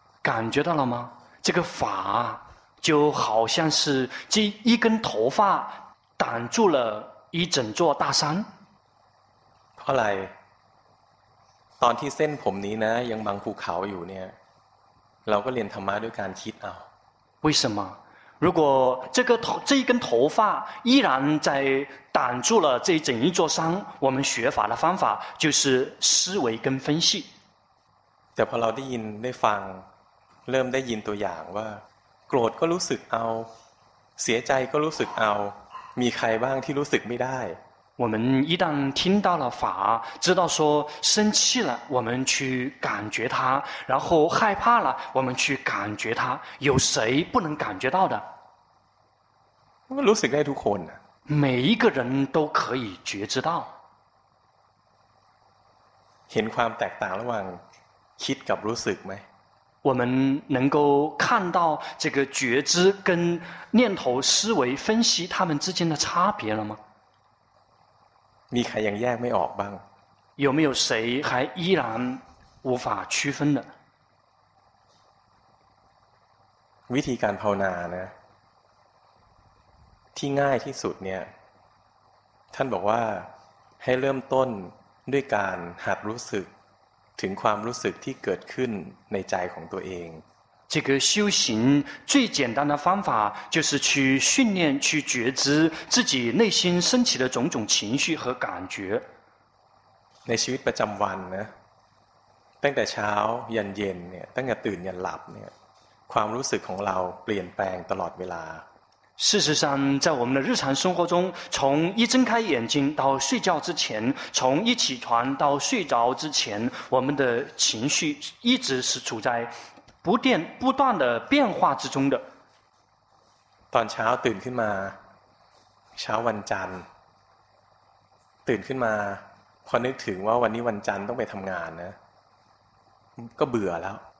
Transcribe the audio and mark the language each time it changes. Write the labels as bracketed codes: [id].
[zh] 感觉到了吗这个法就好像是这一根头发挡住了一整座大山 [th] เพราะอะไรตอนที่เส้นผมนี้นะยังบางภูเขาอยู่เนี่ยเราก็เรียนธรรมะด้วยการคิดเอา [zh] 为什么如果这根头发依然在挡住了这整一座山我们学法的方法就是思维跟分析 [th] แต่พอเราได้ยินได้ฟังเริ่มได้ยินตัวอย่างว่าโกรธก็รู้สึกเอาเสียใจก็รู้สึกเอามีใครบ้างที่รู้สึกไม่ได้ [zh] 我们一旦听到了法知道说生气了我们去感觉它然后害怕了我们去感觉它有谁不能感觉到的 [th] รู้สึกได้ทุกคน [zh] 每一个人都可以觉知到 [th] เห็นความแตกต่างระหว่างคิดกับรู้สึกไหม [zh] 我们能够看到这个觉知跟念头思维分析他们之间的差别了吗 [th] มีใครยังแยกไม่ออกบ้าง [zh] 有没有谁还依然无法区分的 [th] วิธีการภาวนานะที่ง่ายที่สุดเนี่ยท่านบอกว่าให้เริ่มต้นด้วยการหัดรู้สึกถึงความรู้สึกที่เกิดขึ้นในใจของตัวเอง [zh] 这个修行最简单的方法就是去训练去觉知自己内心升起的种种情绪和感觉 [th] ในชีวิตประจำวันนะตั้งแต่เช้ายันเย็นเนี่ยตั้งแต่ตื่นยันหลับเนี่ยความรู้สึกของเราเปลี่ยนแปลงตลอดเวลา [zh] 事实上在我们的日常生活中从一睁开眼睛到睡觉之前从一起床到睡着之前我们的情绪一直是处在不断的变化之中的 [th] ตอนเช้าตื่นขึ้นมาเช้าวันจันทร์ตื่นขึ้นมาพอนึกถึงว่าวันนี้วันจันทร์ต้องไปทำงานนะก็เบื่อแล้ว